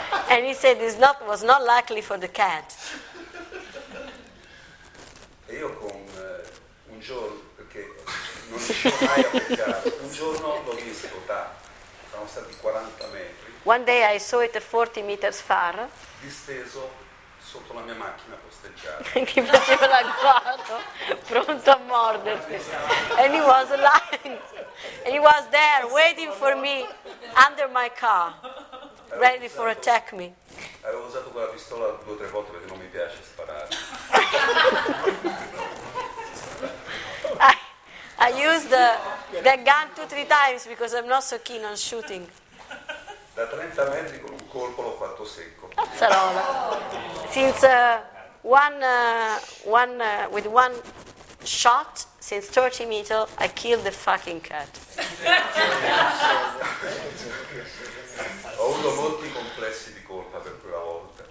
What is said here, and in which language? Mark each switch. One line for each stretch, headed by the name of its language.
English: And he said it was not likely for the cat.
Italian: E io con un giorno, perché non riuscivo mai a beccare, un giorno l'ho visto da, sono stati 40 metri.
English: One day I saw it 40 meters far.
Italian: Disteso sotto la mia macchina posteggiata. Che faceva l'agguato, pronto a morderti.
English: And he was lying. And he was there waiting for me under my car, ready for attack me.
Italian: Avevo usato quella pistola due o tre volte perché non mi piace sparare.
English: I used the gun 2-3 times because I'm not so keen on shooting.
Italian: Da 30 metri con un colpo l'ho fatto secco. Sarola.
English: Since with one shot, since 30 meters, I killed the fucking cat.
Italian: Ho avuto molti complessi di colpa per quella volta.